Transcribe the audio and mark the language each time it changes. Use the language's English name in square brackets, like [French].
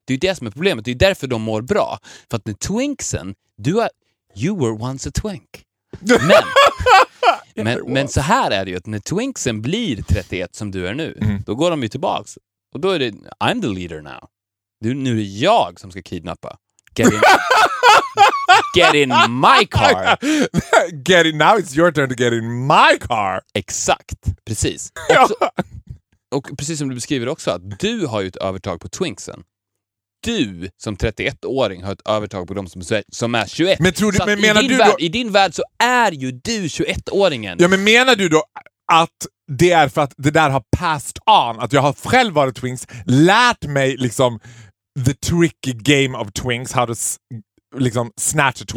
[Swedish] Det är ju det som är problemet. Det är därför de mår bra, för att med twinksen, du är, [English] you were once a twink. [Swedish] Men men så här är det ju, att när twinksen blir 31 som du är nu, då går de ju tillbaks och då är det [English] I'm the leader now. [Swedish] Du, nu är det jag som ska kidnappa. [English] Get in my car. Get in, now it's your turn to get in my car. [Swedish] Exakt, precis. Och precis som du beskriver också, att du har ju ett övertag på twinksen. Du som 31-åring har ett övertag på dem som är 21. Men tror du, men menar du värld, då, i din värld så är ju du 21-åringen. Ja, men menar du då att det är för att det där har [English] passed on, [Swedish] att jag har själv varit twinks, lärt mig liksom [English] the tricky game of twinks, how to [Swedish] liksom [English] snatch a twink.